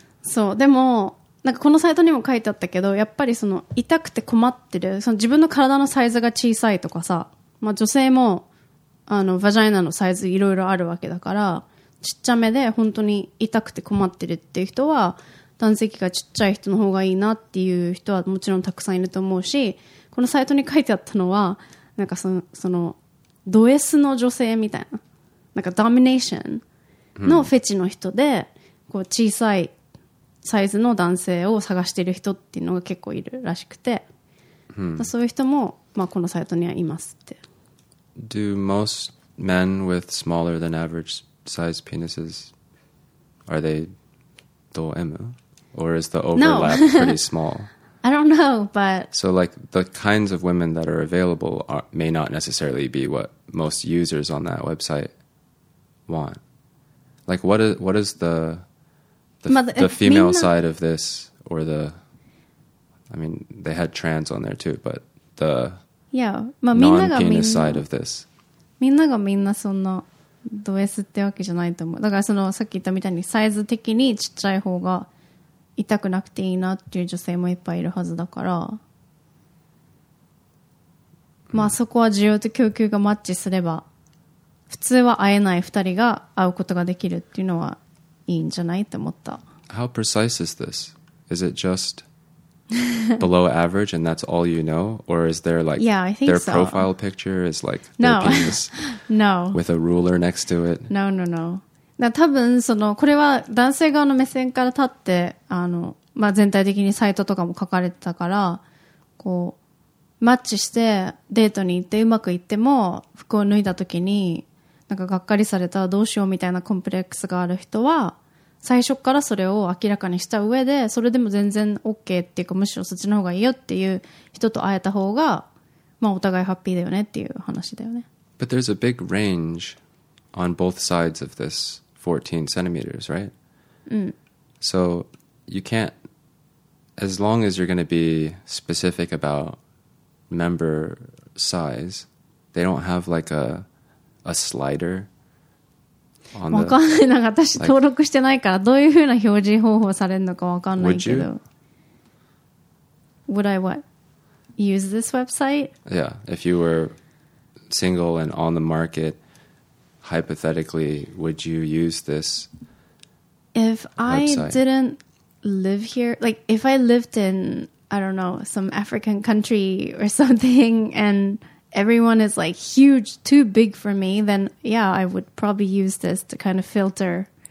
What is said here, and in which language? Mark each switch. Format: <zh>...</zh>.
<ja>そうでもなんかこのサイトにも書いてあったけど、やっぱりその痛くて困ってる、その自分の体のサイズが小さいとかさ、まあ、女性もあのバジャイナのサイズいろいろあるわけだから、ちっちゃめで本当に痛くて困ってるっていう人は男性器がちっちゃい人の方がいいなっていう人はもちろんたくさんいると思うし、このサイトに書いてあったのはなんかそのド S の女性みたいな、なんかドミネーションのフェチの人で、こう小さいサイズの男性を探してる人っていうのが結構いるらしくて、そういう人もまあこのサイトにはいますって。</ja> <en>do most men with smaller than average size penises, are they ド M? Or is the overlap pretty small? I don't know, but... So, like, the kinds of women that are available are, may not necessarily be what most users on that website want. Like, what is the female side of this, or the... I mean, they had trans on there, too, but the non-penis side of this.</en> <ja>みんながみんなそんなド S ってわけじゃないと思う。だから、その、さっき言ったみたいに、サイズ的にちっちゃい方が痛くなくていいなっていう女性もいっぱいいるはずだから、まあそこは需要と供給がマッチすれば、普通は会えない二人が会うことができるっていうのはいいんじゃないって思った。</ja> <en>How precise is this? Is it just below average and that's all you know, or is there like their profile picture is like their penis with a ruler next to it? No.</en> <ja>だ多分そのこれは男性側の目線から立ってあの、まあ、全体的にサイトとかも書かれてたからこうマッチしてデートに行ってうまくいっても服を脱いだ時になんかがっかりされたどうしようみたいなコンプレックスがある人は最初からそれを明らかにした上でそれでも全然 OK っていうかむしろそっちの方がいいよっていう人と会えた方が、まあ、お互いハッピーだよねっていう話だよね。</ja> <en>But there's a big rangeOn both sides of this 14 centimeters, right? Mm. So you can't, as long as you're going to be specific about member size, they don't have like a slider on the...</en> <ja>わかんない。なんか私登録してないからどういうふうな表示方法されるのかわかんないけど。</ja> <en>Would I what? Use this website? Yeah, if you were single and on the market... Hypothetically, would you use this if I didn't live here? Like, if I lived in, I don't know, some African country or something, and everyone is like huge, too big for me, then yeah, I would probably use this to kind of filter.</en>